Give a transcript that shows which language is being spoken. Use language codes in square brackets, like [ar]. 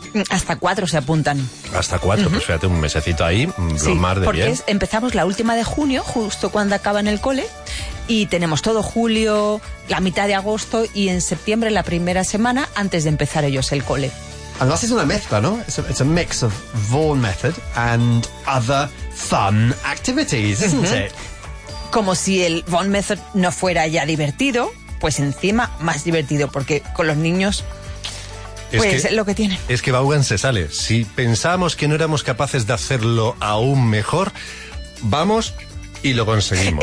[es] Hasta cuatro se apuntan. Hasta cuatro, uh-huh. Pues fíjate, un mesecito ahí, lo más de porque bien. Porque empezamos la última de junio, justo cuando acaban el cole, y tenemos todo julio, la mitad de agosto, y en septiembre la primera semana antes de empezar ellos el cole. [en] And this is [es] una mezcla, ¿no? [en] It's a mix of Vaughan Method and other fun activities, isn't uh-huh. it? [es] Como si el Vaughan Method no fuera ya divertido, pues encima más divertido, porque con los niños... Pues es lo que tiene. Es que Vaughan se sale. Si pensábamos que no éramos capaces de hacerlo aún mejor, vamos y lo conseguimos.